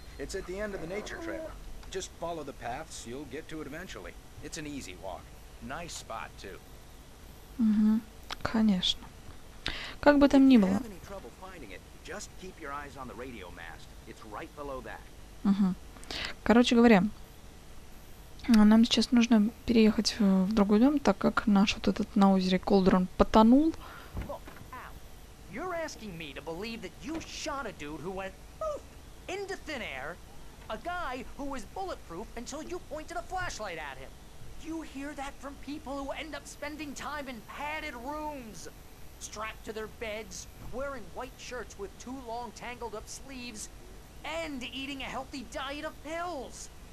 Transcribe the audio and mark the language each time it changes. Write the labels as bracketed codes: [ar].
[en] It's at the end of the nature trail. Just follow the paths, you'll get to it eventually. It's an easy walk. Nice spot, too. [ru] Угу, конечно. Как бы там ни было. [en] If you have any trouble finding it, just keep your eyes on the radio mast. It's right below that. [ru] Угу. Короче говоря, нам сейчас нужно переехать в другой дом, так как наш вот этот на озере Колдран потонул. [en] You're asking me to believe that you shot a dude who went poof into thin air, a guy who was bulletproof until you pointed a flashlight at him. You hear that from people who end up spending time in padded rooms, strapped to their beds, wearing white shirts with too long tangled up sleeves, and eating a healthy diet of pills.